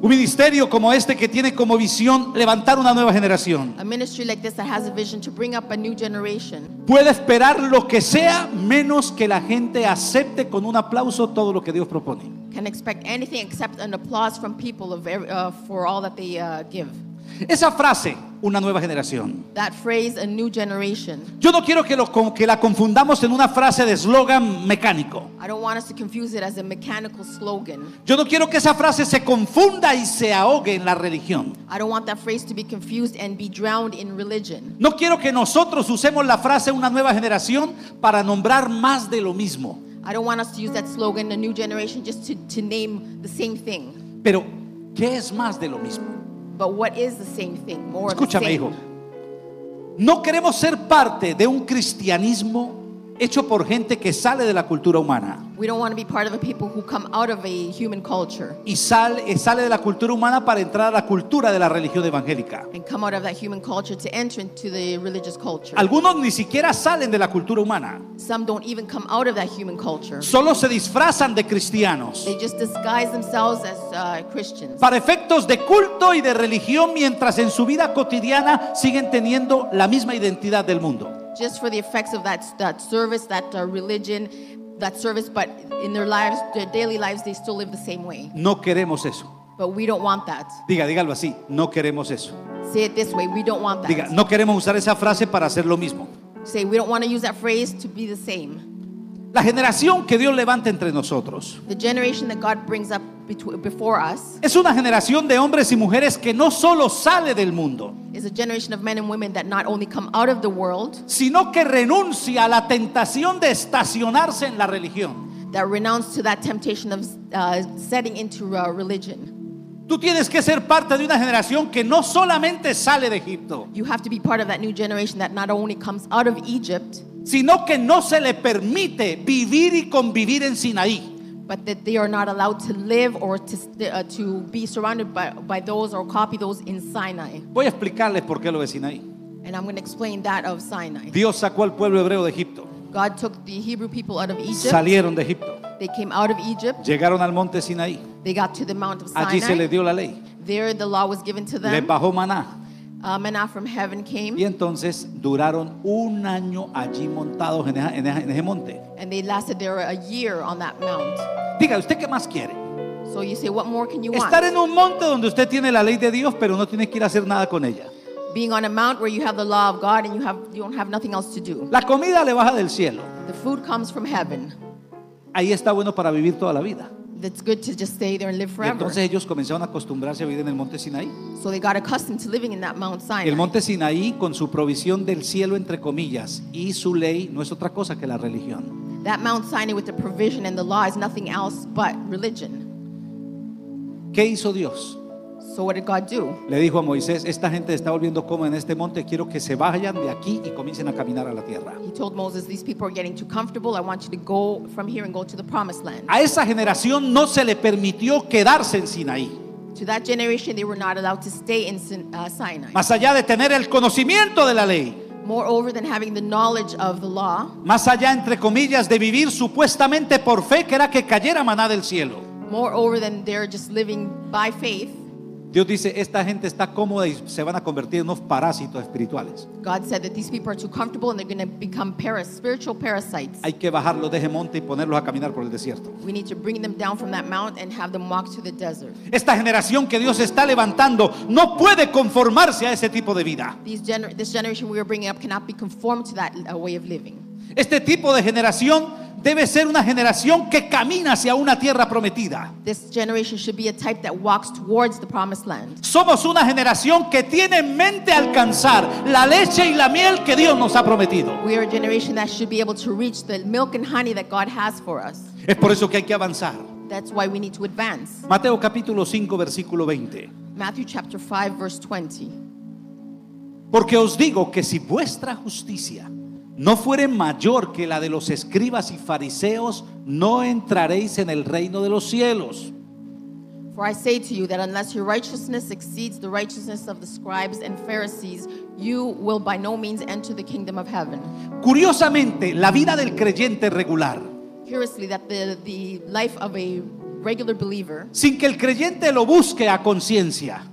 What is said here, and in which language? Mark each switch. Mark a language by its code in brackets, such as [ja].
[es] Un ministerio como este que tiene como visión levantar una nueva generación. [en] A ministry like this that has a vision to bring up a new generation. [es] Puede esperar lo que sea menos que la gente acepte con un aplauso todo lo que Dios propone. [en] Can expect anything except an applause from people of for all that they give. [es] Esa frase, una nueva generación. [en] That phrase, a new generation. [es] Yo no quiero que la confundamos en una frase de eslogan mecánico. [en] I don't want us to confuse it as a mechanical slogan. [es] Yo no quiero que esa frase se confunda y se ahogue en la religión. [en] I don't want that phrase to be confused and be drowned in religion. [es] No quiero que nosotros usemos la frase una nueva generación para nombrar más de lo mismo. [en] I don't want us to use that slogan, a new generation, just to name the same thing. [es] Pero, ¿qué es más de lo mismo? [en] But what is the same thing? More [es] escúchame, [en] the same. [es] Hijo. No queremos ser parte de un cristianismo hecho por gente que sale de la cultura humana. [en] We don't want to be part of a people who come out of a human culture. [es] Y sale de la cultura humana para entrar a la cultura de la religión evangélica. [en] And come out of that human culture to enter into the religious culture. [es] Algunos ni siquiera salen de la cultura humana. [en] Some don't even come out of that human culture. [es] Solo se disfrazan de cristianos. [en] They just disguise themselves as Christians. [es] Para efectos de culto y de religión, mientras en su vida cotidiana siguen teniendo la misma identidad del mundo. [en] Just for the effects of that service, that religion, but in their lives, their daily lives, they still live the same way. [es] No queremos eso. [en] But we don't want that. [es] Dígalo así. No queremos eso. [en] Say it this way. We don't want that. [es] Diga, no queremos usar esa frase para hacer lo mismo. [en] Say we don't want to use that phrase to be the same. [es] La generación que Dios levanta entre nosotros. [en] The generation that God brings up before us. [es] Es una generación de hombres y mujeres que no solo sale del mundo. [en] Is a generation of men and women that not only come out of the world. [es] Sino que renuncia a la tentación de estacionarse en la religión. [en] That renounce to that temptation of setting into religion. [es] Tú tienes que ser parte de una generación que no solamente sale de Egipto. [en] You have to be part of that new generation that not only comes out of Egypt. [es] Sino que no se le permite vivir y convivir en Sinaí. [en] But that they are not allowed to live or to be surrounded by those or copy those in Sinai. [es] Voy a explicarles por qué lo de Sinaí. [en] And I'm going to explain that of Sinai. [es] Dios sacó al pueblo hebreo de Egipto. [en] God took the Hebrew people out of Egypt. [es] Salieron de Egipto. [en] They came out of Egypt. [es] Llegaron al monte Sinaí. [en] They got to the Mount of Sinai. [es] Allí se les dio la ley. [en] There the law was given to them. [es] Les bajó maná. [en] Maná from heaven came. [es] Y entonces duraron un año allí montados en ese monte. [en] And they lasted there a year on that mount. [es] Diga, ¿usted qué más quiere? [en] So you say, what more can you want? [es] Estar en un monte donde usted tiene la ley de Dios, pero no tiene que ir a hacer nada con ella. [en] Being on a mount where you have the law of God and you don't have nothing else to do. [es] La comida le baja del cielo. [en] The food comes from heaven. [es] Ahí está bueno para vivir toda la vida. [en] That's good to just stay there and live forever. [es] Y entonces ellos comenzaron a acostumbrarse a vivir en el monte Sinaí. [en] So they got accustomed to living in that Mount Sinai. [es] El monte Sinaí con su provisión del cielo entre comillas y su ley no es otra cosa que la religión. [en] That Mount Sinai with the provision and the law is nothing else but religion. [es] ¿Qué hizo Dios? [en] So what did God do? [es] Le dijo a Moisés, esta gente está volviendo cómoda en este monte, quiero que se vayan de aquí y comiencen a caminar a la tierra. [en] He told Moses, these people are getting too comfortable, I want you to go from here and go to the promised land. [es] A esa generación no se le permitió quedarse en Sinaí. [en] to that generation, they were not allowed to stay in Sinai. [es] Más allá de tener el conocimiento de la ley. [en] Moreover than having the knowledge of the law. [es] Más allá, entre comillas, de vivir supuestamente por fe, que era que cayera maná del cielo. [en] Moreover than they're just living by faith. [es] Dios dice, esta gente está cómoda y se van a convertir en unos parásitos espirituales. [en] God said that these people are too comfortable and they're going to become spiritual parasites. [es] Hay que bajarlos de ese monte y ponerlos a caminar por el desierto. [en] We need to bring them down from that mount and have them walk to the desert. [es] Esta generación que Dios está levantando no puede conformarse a ese tipo de vida. [en] This generation we are bringing up cannot be conformed to that way of living. [es] Este tipo de generación debe ser una generación que camina hacia una tierra prometida. [en] This generation should be a type that walks towards the promised land. [es] Somos una generación que tiene en mente alcanzar la leche y la miel que Dios nos ha prometido. [en] We are a generation that should be able to reach the milk and honey that God has for us. [es] Es por eso que hay que avanzar. [en] That's why we need to advance. [es] Mateo capítulo 5 versículo 20. [en] Matthew chapter 5 verse 20. [es] Porque os digo que si vuestra justicia no fuere mayor que la de los escribas y fariseos, no entraréis en el reino de los cielos. [en] For I say to you that unless your righteousness exceeds the righteousness of the scribes and Pharisees, you will by no means enter the kingdom of heaven. [es] Curiosamente, la vida del creyente regular. [en] Curiously, that the life of a regular believer. [es] Sin que el creyente lo busque a conciencia.